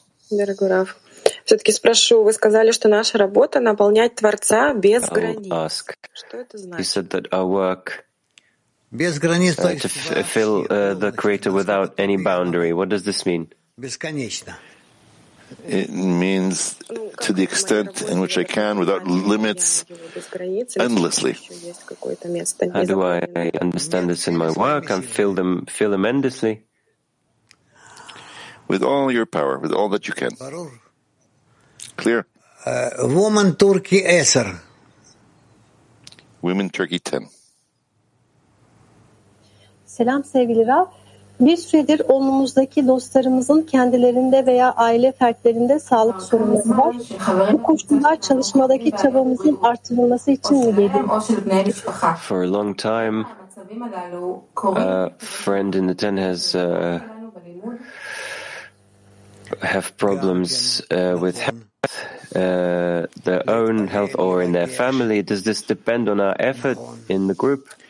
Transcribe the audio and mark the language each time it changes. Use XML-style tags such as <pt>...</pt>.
<ru>Дорогой Рав, все-таки спрошу, вы сказали, что наша работа — наполнять Творца без границ. Что это значит?</ru> <en>You said that our work to fill the Creator without any boundary. What does this mean?</en> <ru>Бесконечно.</ru> <en>It means to the extent in which I can, without limits, endlessly. How do I understand this in my work and fill them endlessly? With all your power, with all that you can. Clear? Woman Turkey 10. Women Turkey 10.</en> <tr>Selam sevgili Rav. Bir süredir omuzdaki dostlarımızın kendilerinde veya aile fertlerinde sağlık sorunları var. Bu koşullar çalışmadaki çabamızın artırılması için mi gelir?</tr> <en>For a long time, a friend in the ten have problems with health, their own health or in their family. Does this depend on our effort in the group?</en>